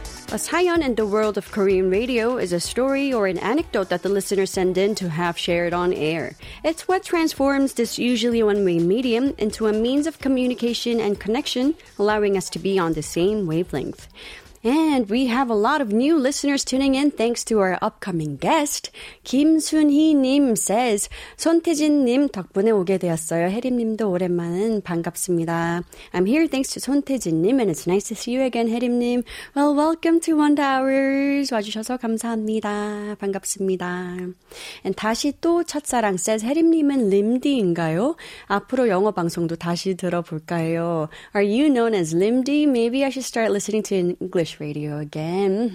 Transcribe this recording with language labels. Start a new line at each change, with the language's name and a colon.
English: A saeyon in the world of Korean radio is a story or an anecdote that the listeners send in to have shared on air. It's what transforms this usually one-way medium into a means of communication and connection, allowing us to be on the same wavelength. And we have a lot of new listeners tuning in thanks to our upcoming guest.
Korean: 김순희님
English: says,
Korean: 손태진님 덕분에 오게 되었어요. 혜림님도 오랜만은 반갑습니다.
English: I'm here thanks to 손태진님 and it's nice to see you again, 혜림님. Well, welcome to Wonder Hours.
Korean: 와주셔서 감사합니다. 반갑습니다.
English: And
Korean: 다시 또 첫사랑
English: says,
Korean: 혜림님은 림디인가요? 앞으로 영어 방송도 다시 들어볼까요?
English: Are you known as Limdy? Maybe I should start listening to English radio again.